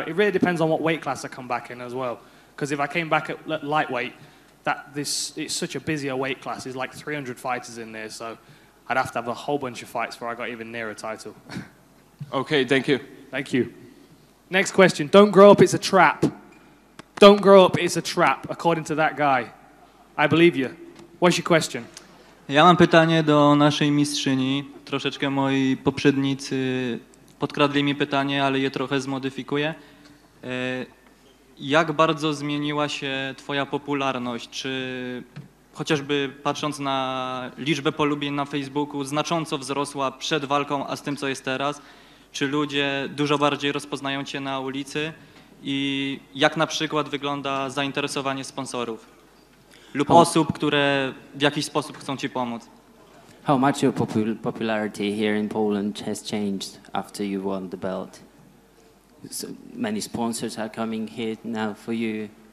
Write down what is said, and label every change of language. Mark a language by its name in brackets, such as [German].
[English] It really depends on what weight class I come back in as well. Because if I came back at lightweight, it's such a busier weight class. There's like 300 fighters in there. So I'd have to have a whole bunch of fights before I got even near a title. Okay, thank you. Thank you. Next question. Don't grow up, it's a trap. Don't grow up, it's a trap, according to that guy. I believe you. What's your question? [Polish] Ja mam pytanie do naszej mistrzyni. Troszeczkę moi poprzednicy podkradli mi pytanie, ale je trochę zmodyfikuję. Jak bardzo zmieniła się twoja popularność? Czy chociażby patrząc na liczbę polubień na Facebooku, znacząco wzrosła przed walką, a z tym, co jest teraz? Czy ludzie dużo bardziej rozpoznają cię na ulicy? I jak na przykład wygląda zainteresowanie sponsorów? Lub osób, które w jakiś sposób chcą ci pomóc? [English] How much your popularity here in Poland has changed after you won the belt? So many sponsors are coming here now for you.